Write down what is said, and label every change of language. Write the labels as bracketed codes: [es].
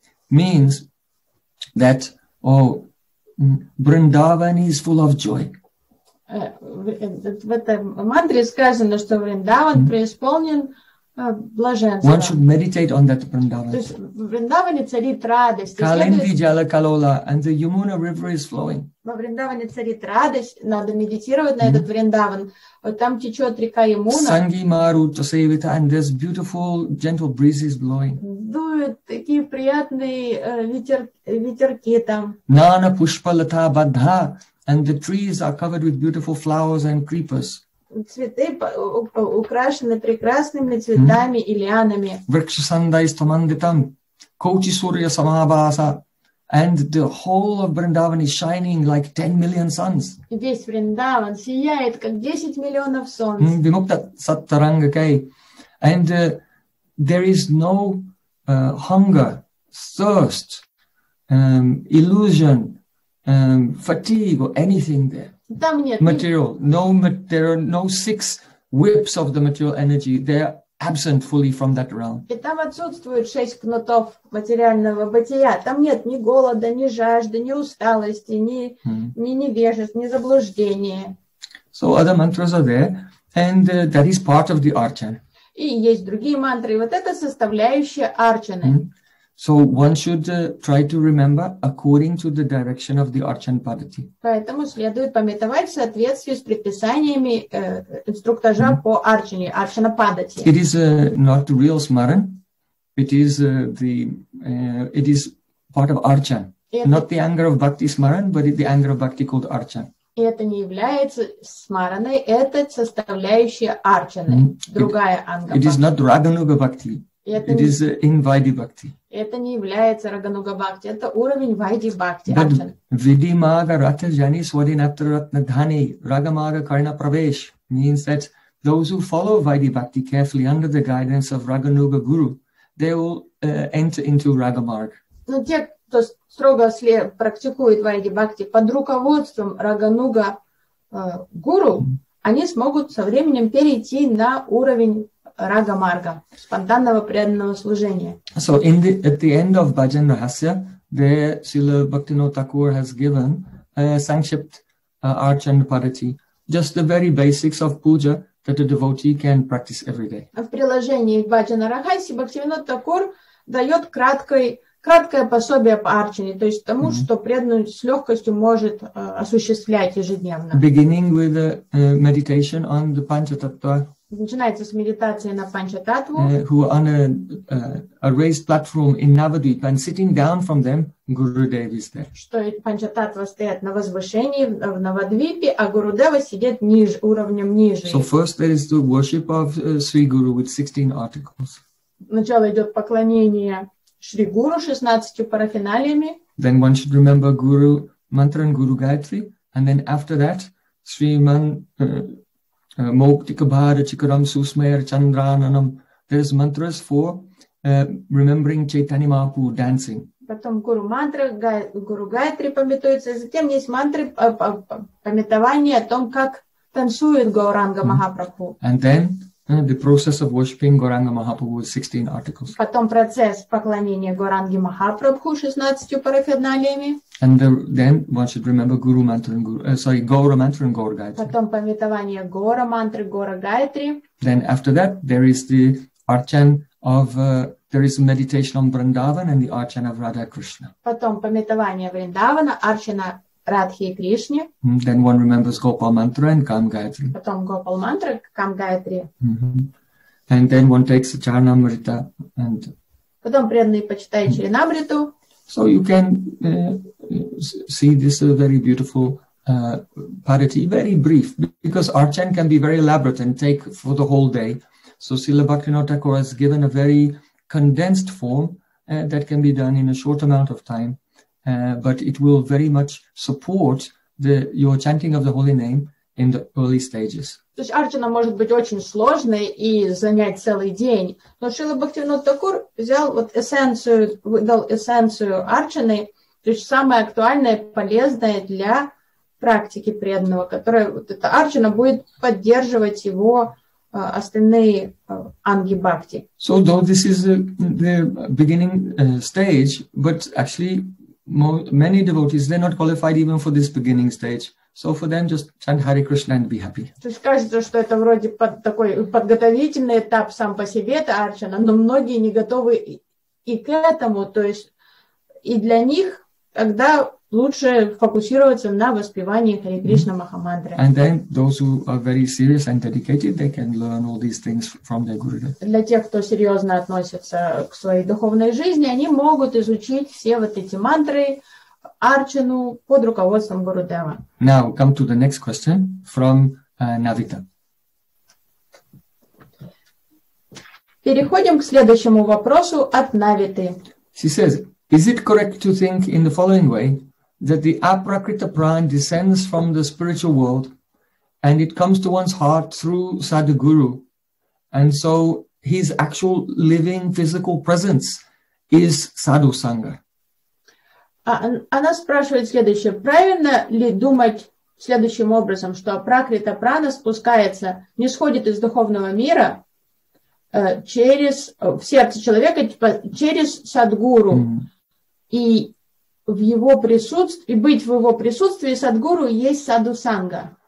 [en] Means that, oh, Vrindavan is full of joy. [ru] В этой мантре сказано, что Вриндаван преисполнен блаженством. [en] One should meditate on that Vrindavan. [ru] То есть в Вриндаване царит радость. [sa] Калинди джала калола, [en] and the Yamuna river is flowing. [ru] Во Вриндаване царит радость, надо медитировать на этот Вриндаван. Вот там течет река Ямуна. [sa] Санги мару тасевита, [en] and there's beautiful gentle breezes blowing. [ru] Дуют такие приятные ветерки там. [sa] Нана пушпа лата бадха, [en] and the trees are covered with beautiful flowers and creepers. [ru] Цветы украшены прекрасными цветами и лианами. [sa] Вркша сандай стамандитам, коучи сурья самабааса. [en] And the whole of Vrindavan is shining like 10 million suns. [ru] Весь Вриндаван сияет, как 10 миллионов солнц. [sa] Вимукта саттаранга кай. [en] And there is no hunger, thirst, illusion, fatigue or anything there. [ru] Там нет. [en] Material. There are no six whips of the material energy. They are absent fully from that realm. [ru] И там отсутствует шесть кнутов материального бытия. Там нет ни голода, ни жажды, ни усталости, ни невежеств, ни заблуждения. [en] So other mantras are there, and that is part of the archan. [ru] И есть другие мантры. Вот это составляющая арчаны. [en] So one should try to remember according to the direction of the archan padati. [ru] Поэтому следует памятовать в соответствии с предписаниями инструктажа по арчане, арчана падати. [en] It is not real smaran. It is it is part of archan. Not the anger of bhakti smaran, but the anger of bhakti called archan. [ru] И это не является смараной, это составляющая арчаны, другая анга. [en] It is not рагануга бхакти. It is in Vaidhi Bhakti. [ru] Это не является Рагануга Бхакти, это уровень Вайди Бхакти. [en] But [sa] Vidhi Maga Ratha Jani Swadhinatra Ratna Dhani Raga Maga Karna Pravesh [en] means that those who follow Vaidhi Bhakti carefully under the guidance of Raganuga Guru they will enter into Ragamarg. [ru] Но те, кто строго практикует Вайди Бхакти под руководством Рагануга Гуру, они смогут со временем перейти на уровень Рагамарга, спонтанного преданного служения. [en] So in the, at the end of Bhajan Rahasya, there Srila Bhaktivinoda Thakur has given a Sankshipt Archana Paddhati, just the very basics of puja that a devotee can practice every day. [ru] В приложении Bhajana Rahasya Bhaktivinoda Thakur дает краткое пособие по арчане, то есть тому, mm-hmm. что преданный с легкостью может осуществлять ежедневно. [en] Beginning with the meditation on the Panchatattva. [ru] Начинается с медитации на Панчататву. [en] Who are on a raised platform in Navadvip and sitting down from them, Gurudev is there. [ru] Что Панчататва стоит на возвышении в Навадвипе, а Гурудева сидит ниже, уровнем ниже. [en] So first there is the worship of Sri Guru with 16 articles. [ru] Сначала идет поклонение Шри Гуру 16 парафиналиями. [en] Then one should remember Guru Mantra and Guru Gayatri, and then after that, [sa] Sri Man Moktika Bhara Chikaram Susmayar Chandrananam. [en] There's mantras for remembering Chaitanya Mahaprabhu dancing. [ru] Потом Гуру Мантра, Гуру Гайтри памятуется, и затем есть мантры памятования о том, как танцует Гауранга Махапрабху. [en] And then the process of worshipping Gauranga Mahaprabhu with 16 articles. [ru] Потом процесс поклонения Гауранге Махапрабху 16 парафиналиями. [en] And the, then one should remember Guru Mantra and Guru, sorry, Gaura Mantra and Gaura Gayatri. [ru] Потом памятование Гаура Мантры, Гаура Гайтри. [en] Then after that, there is the Archan of, there is a meditation on Vrindavan and the Archan of Radha Krishna. [ru] Потом памятование Вриндавана, Арчана Радхи и Кришне. [en] Then one remembers Gopal Mantra and Kam Gayatri. [ru] Потом Gopal Mantra, Kam Gayatri. [en] Mm-hmm. And then one takes a Charanamrita and. [ru] Потом преданный почитает Чаринамриту. [en] So you can see this a very beautiful parity, very brief, because Archan can be very elaborate and take for the whole day. So Srila Bhaktivinoda Thakur has given a very condensed form that can be done in a short amount of time. But it will very much support the your chanting of the holy name in the early stages. [ru] То есть арчана может быть очень сложной и занять целый день, но Шрила Бхактивинода Такур взял вот эссенцию, выдал эссенцию арчаны, то есть самое актуальное, полезное для практики преданного, которое вот эта арчана будет поддерживать его остальные анги бхакти. [en] So though this is the beginning stage, but actually many devotees, they're not qualified even for this beginning stage. So for them, just chant Hare Krishna and be happy. [ru] То есть кажется, что это вроде такой подготовительный этап сам по себе, это арчана, но многие не готовы и к этому. То есть и для них тогда лучше фокусироваться на воспевании Hare Krishna Махамантры. [en] And then those who are very serious and dedicated, they can learn all these things from their Gurudev. [ru] Для тех, кто серьезно относится к своей духовной жизни, они могут изучить все вот эти мантры, арчану под руководством Гурудева. [en] Now come to the next question from Navita. [ru] Переходим к следующему вопросу от Навиты. [en] She says, is it correct to think in the following way, that the aprakrita prana descends from the spiritual world and it comes to one's heart through Sadhguru, and so his actual living physical presence is Sadhu Sangha? [ru] Она спрашивает следующее. Правильно ли думать следующим образом, что апракрита прана спускается, не сходит из духовного мира через, в сердце человека, типа, через Садхгуру? И в его присутствии, быть в его присутствии Садхгуру есть Садху Санга.